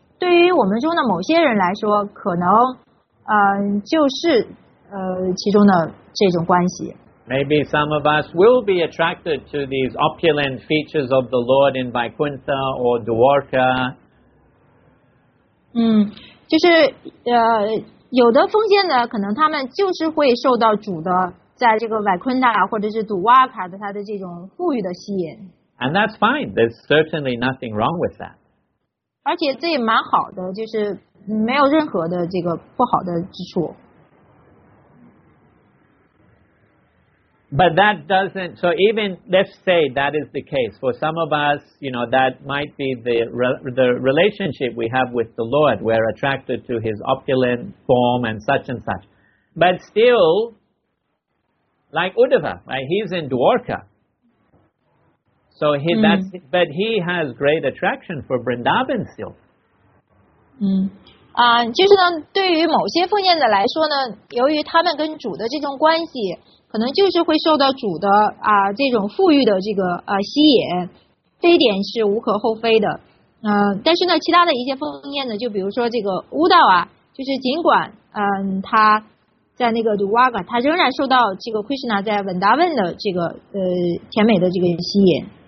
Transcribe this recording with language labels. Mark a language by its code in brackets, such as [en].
[zh] 对于我们中的某些人来说，可能，就是其中的这种关系。 [en] Maybe some of us will be attracted to these opulent features of the Lord in Vaikuntha or Dwarka. [zh] 就是有的奉献的可能他们就是会受到主的在这个 Vaikuntha 或者是 Dwarka 的他的这种富裕的吸引。 [en] And that's fine. There's certainly nothing wrong with that. [zh] 而且这也蛮好的，就是没有任何的这个不好的之处。 [en] But that doesn't, so even, let's say that is the case. For some of us, you know, that might be the relationship we have with the Lord. We're attracted to his opulent form and such and such. But still, like Uddhava, right, he's in Dwarka. So but he has great attraction for Vrindavan still. [zh] 就是呢，对于某些奉献者来说呢，由于他们跟主的这种关系，可能就是会受到主的这种富裕的这个吸引，这一点是无可厚非的。但是呢，其他的一些奉献呢，就比如说这个乌道啊，就是尽管他在那个杜瓦嘎，他仍然受到这个 Krishna 在 Vrindavan 的这个甜美的这个吸引。